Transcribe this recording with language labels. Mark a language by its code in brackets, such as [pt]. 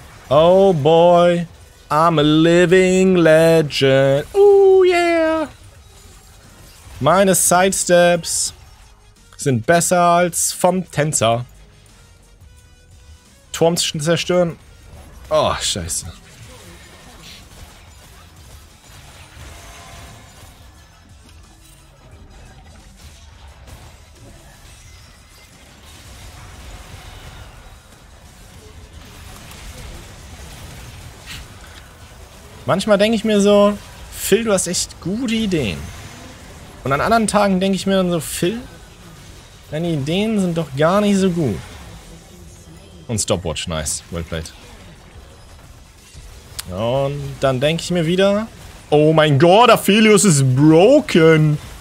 [en] Oh boy, I'm a living legend. Oh yeah. [de] Meine Sidesteps sind besser als vom Tänzer. Turm zerstören. Oh, scheiße. Manchmal denke ich mir so, Phil, du hast echt gute Ideen. Und an anderen Tagen denke ich mir dann so, Phil, deine Ideen sind doch gar nicht so gut. Und [en] Stopwatch, nice, well played. [de] Und dann denke ich mir wieder, oh mein Gott, Aphelios ist broken.